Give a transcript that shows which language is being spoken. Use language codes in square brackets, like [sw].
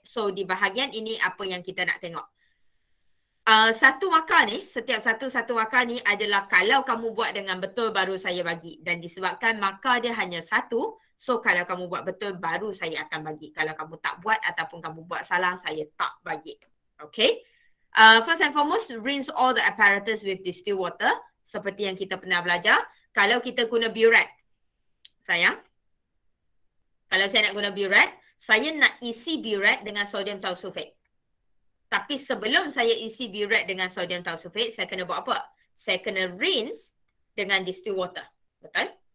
[ms] So di bahagian ini apa yang kita nak tengok? Satu markah ni, setiap satu-satu markah ni adalah kalau kamu buat dengan betul baru saya bagi. Dan disebabkan markah dia hanya satu. So kalau kamu buat betul baru saya akan bagi. Kalau kamu tak buat ataupun kamu buat salah, saya tak bagi. Okay. [en] First and foremost, rinse all the apparatus with distilled water. [ms] Seperti yang kita pernah belajar. Kalau kita guna burette, sayang, kalau saya nak guna burette, saya nak isi burette dengan sodium tiosulfate. Tapi sebelum saya isi burette dengan sodium tiosulfate, saya kena buat apa? Saya kena rinse dengan distilled water. Betul?